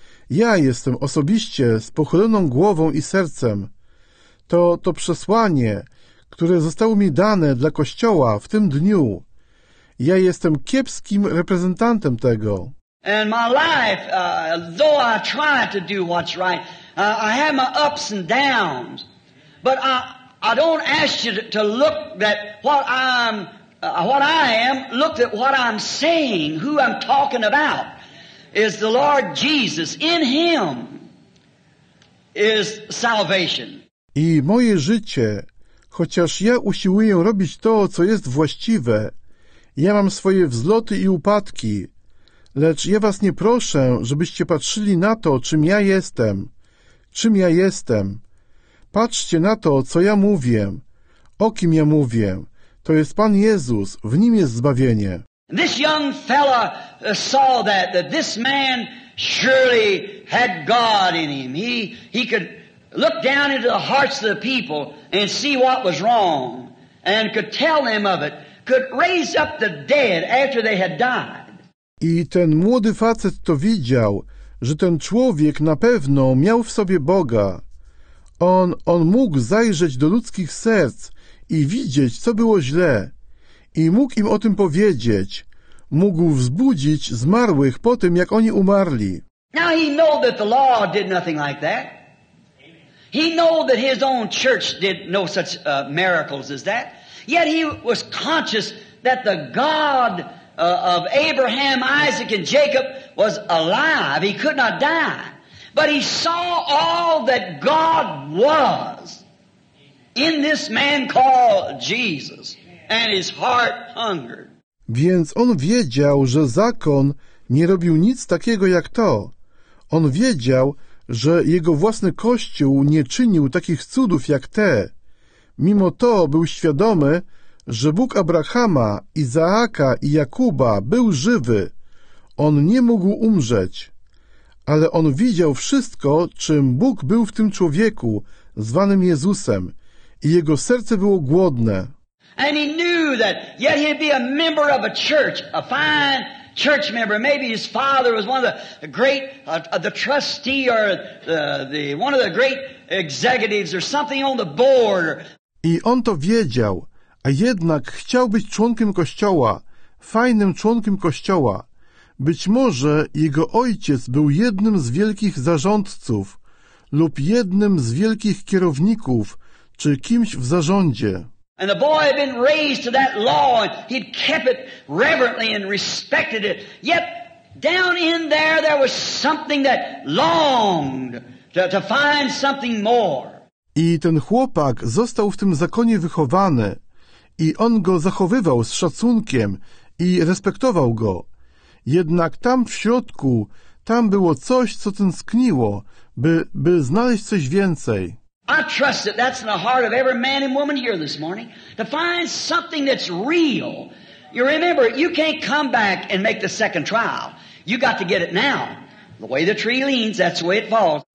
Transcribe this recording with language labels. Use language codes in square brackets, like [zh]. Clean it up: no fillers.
[pl] Ja jestem osobiście z pochyloną głową i sercem. To przesłanie, które zostało mi dane dla Kościoła w tym dniu. Ja jestem kiepskim reprezentantem tego. [en] And my life, though I try to do what's right, I have my ups and downs. But I don't ask you to look at what I am, look at what I'm saying, who I'm talking about. Is the Lord Jesus. In Him is salvation. [pl] I moje życie, chociaż ja usiłuję robić to, co jest właściwe, ja mam swoje wzloty i upadki, lecz ja was nie proszę, żebyście patrzyli na to, czym ja jestem. Czym ja jestem? Patrzcie na to, co ja mówię. O kim ja mówię? To jest Pan Jezus. W Nim jest zbawienie. [en] This young fella saw that this man surely had God in him. He could look down into the hearts of the people and see what was wrong and could tell them of it, could raise up the dead after they had died. [pl] I ten młody facet to widział, że ten człowiek na pewno miał w sobie Boga. On mógł zajrzeć do ludzkich serc i widzieć, co było źle. I mógł im o tym powiedzieć. Mógł wzbudzić zmarłych po tym, jak oni umarli. [en] Now he know that the law did nothing like that. He know that his own church did no such miracles as that. Yet he was conscious that the God of Abraham, Isaac, and Jacob was alive. He could not die. But he saw all that God was in this man called Jesus. And his heart hungered. [pl] Więc on wiedział, że zakon nie robił nic takiego jak to. On wiedział, że jego własny kościół nie czynił takich cudów jak te. Mimo to był świadomy, że Bóg Abrahama, Izaaka i Jakuba był żywy. On nie mógł umrzeć. Ale on widział wszystko, czym Bóg był w tym człowieku, zwanym Jezusem. I jego serce było głodne. [en] And he knew that yet he'd be a member of a church, a fine church member. Maybe his father was one of the great, the trustee or the one of the great executives or something on the board. [pl] I on to wiedział, a jednak chciał być członkiem kościoła, fajnym członkiem kościoła. Być może jego ojciec był jednym z wielkich zarządców lub jednym z wielkich kierowników czy kimś w zarządzie. [en] And the boy had been raised to that law and he'd kept it reverently and respected it. Yet down in there was something that longed to find something more. [pl] I ten chłopak został w tym zakonie wychowany i on go zachowywał z szacunkiem i respektował go. Jednak tam w środku, tam było coś, co tęskniło, by znaleźć coś więcej. [en] I trust that that's in the heart of every man and woman here this morning, to find something that's real. You remember, you can't come back and make the second trial. You got to get it now. The way the tree leans, that's the way it falls.